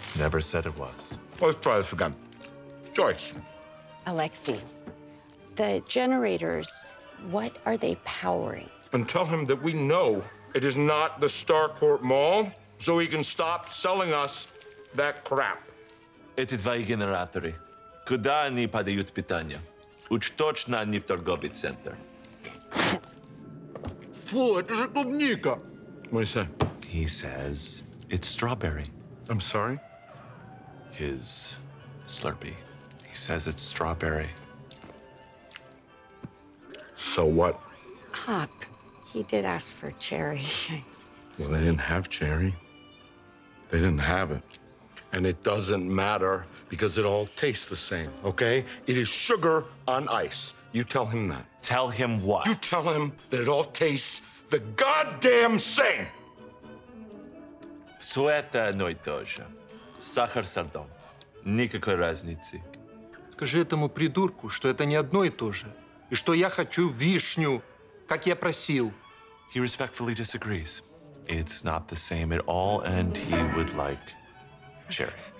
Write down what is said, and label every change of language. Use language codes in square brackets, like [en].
[en] Never said it was. Let's try this again. Joyce. Alexi, the generators, what are they powering? And tell him that we know it is not the Starcourt Mall, so he can stop selling us that crap. [ru] Эти два генераторы, куда они подают питание? Уж точно не в торговый центр. Фу, это же клубника. [en] What do you say? He says it's strawberry. I'm sorry? His Slurpee. He says it's strawberry. So what? Hop. He did ask for cherry. Well, they didn't have cherry. They didn't have it. And it doesn't matter because it all tastes the same, okay? It is sugar on ice. You tell him that. Tell him what? You tell him that it all tastes the goddamn same. [ru] Все это одно и то же. Сахар со льдом. Никакой разницы. Скажи этому придурку, что это не одно и то же. И что я хочу вишню, как я просил. [en] He respectfully disagrees. It's not the same at all, and he would like cherry.